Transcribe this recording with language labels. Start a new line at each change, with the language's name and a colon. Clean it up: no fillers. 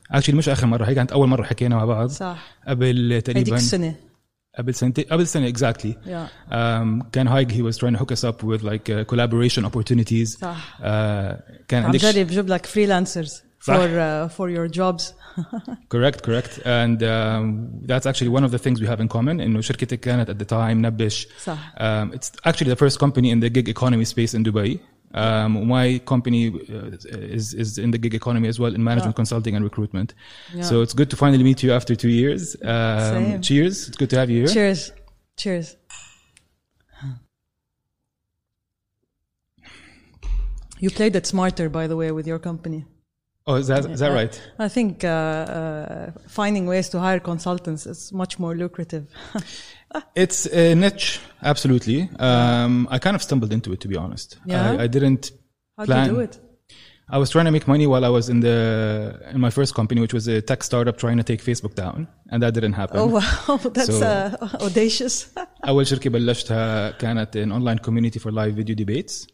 Arabic: Actually مش اخر مره، هي كانت اول مره حكينا مع بعض. صح. قبل تقريبا هذيك السنه. قبل سنة exactly.
English: Yeah.
Arabic: كان هايج
English: he was trying to hook us up with like collaboration opportunities.
Arabic: صح. كان عندك عم جرب جيب لك
English: freelancers for your jobs. correct. And that's actually one of the things we have in common.
Arabic: إنه شركتك كانت
English: at the time
Arabic: نبش. صح.
English: It's actually the first company in the gig economy space in Dubai. My company is in the gig economy as well in management consulting and recruitment. Yeah. So it's good to finally meet you after 2 years. Same. Cheers. It's good to have you here. Cheers. You played it smarter, by the way, with your company. Oh, is that right? I think finding ways to hire consultants is much more lucrative. It's a niche, absolutely. I kind of stumbled into it, to be honest. Yeah? I didn't plan. How did you do it? I was trying to make money while I was in my first company, which was a tech startup trying to take Facebook down, and that didn't happen. Oh, wow. That's so, audacious.
Arabic: أول شركة بلشتها كانت
English: an online community for live video debates.